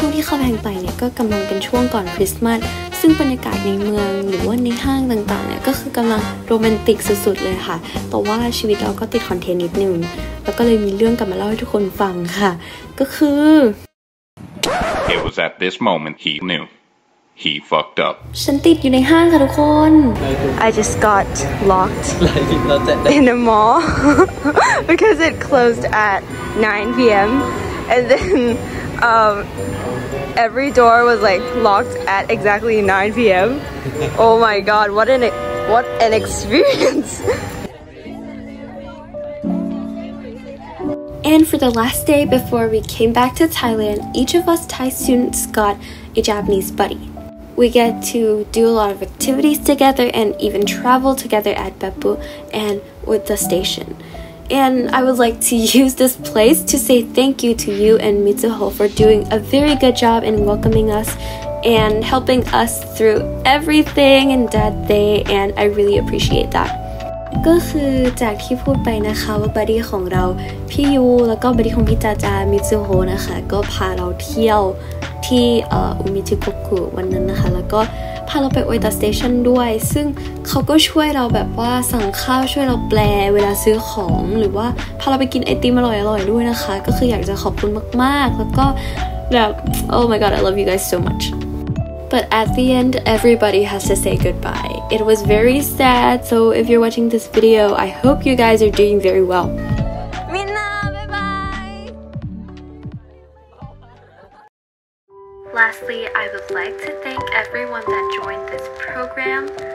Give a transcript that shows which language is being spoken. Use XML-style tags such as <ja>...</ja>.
<th>กำลังเป็นช่วงก่อนคริสต์มาสซึ่งบรรยากาศในเมืองหรือว่าในห้างต่างๆเนี่ยก็คือกำลังโรแมนติกสุดๆเลยค่ะแต่ว่าชีวิตเราก็ติดคอนเทนต์นิดนึงแล้วก็เลยมีเรื่องกลับมาเล่าให้ทุกคนฟังค่ะก็คือ</th> <en>It was at this moment he knew he fucked up</en> <th>ฉันติดอยู่ในห้างค่ะทุกคน</th> <en>I just got locked in a mall because it closed at 9 p.m. and then every door was like locked at exactly 9 p.m. Oh my god, what an experience! And for the last day before we came back to Thailand, each of us Thai students got a Japanese buddy. We get to do a lot of activities together and even travel together at Beppu and with the station. And I would like to use this place to say thank you to you and Mitsuho for doing a very good job in welcoming us and helping us through everything in that day, and I really appreciate that.</en> <th>ก็คือจากที่พูดไปนะคะว่าบัดดี้ของเราพี่ยูแล้วก็บัดดี้ของพี่จาจามิตซูโฮนะคะก็พาเราเที่ยวที่อุมิจิโกคุวันนั้นนะคะแล้วก็พาเราไปโอิตาสเตชันด้วยซึ่งเขาก็ช่วยเราแบบว่าสั่งข้าวช่วยเราแปลเวลาซื้อของหรือว่าพาเราไปกินไอติมอร่อยๆด้วยนะคะก็คืออยากจะขอบคุณมากๆแล้วก็แบบ</th> <en>oh my god I love you guys so muchBut at the end, everybody has to say goodbye. It was very sad, so if you're watching this video, I hope you guys are doing very well. Minna, bye-bye! Lastly, I would like to thank everyone that joined this program.</en>